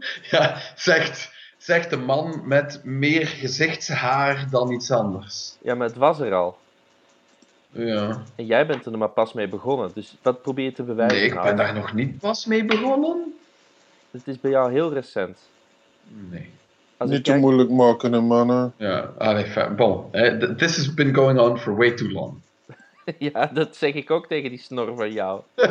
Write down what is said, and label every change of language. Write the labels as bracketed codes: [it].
[nl] Ja, zegt de man met meer gezichtshaar dan iets anders. Ja, maar het was er al. Ja. En jij bent er maar pas mee begonnen. Dus wat probeer je te bewijzen? Nee, ik ben daar nog niet pas mee begonnen. Dus het is bij jou heel recent. Nee. Niet te moeilijk maken, mannen. Ja, allee, bon. [en] This has been going on for way too long. [nl] Ja, dat zeg ik ook tegen die snor van jou.